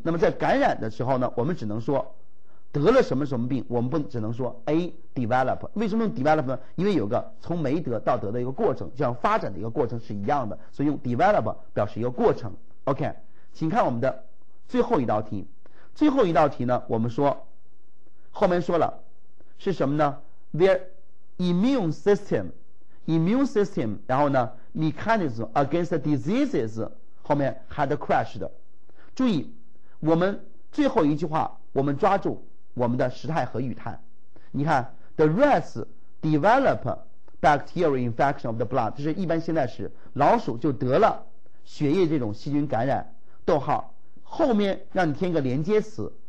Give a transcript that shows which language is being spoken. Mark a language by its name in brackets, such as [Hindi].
[Chinese] 那么在感染的时候呢，我们只能说得了什么什么病，我们不只能说 A develop。为什么用 develop 呢？因为有个从没得到得的一个过程，像发展的一个过程是一样的，所以用 develop 表示一个过程。 OK， 请看我们的最后一道题呢，我们说后面说了是什么呢？ [English] their immune system [Chinese] 然后呢 [English] mechanism against the diseases [Chinese] 后面 [English] had crashed。 [Chinese] 注意我们最后一句话，我们抓住我们的时态和语态。你看 [English] the rats develop bacterial infection of the blood， [Chinese] 这是一般现在时，老鼠就得了血液这种细菌感染，逗号后面让你添个连接词。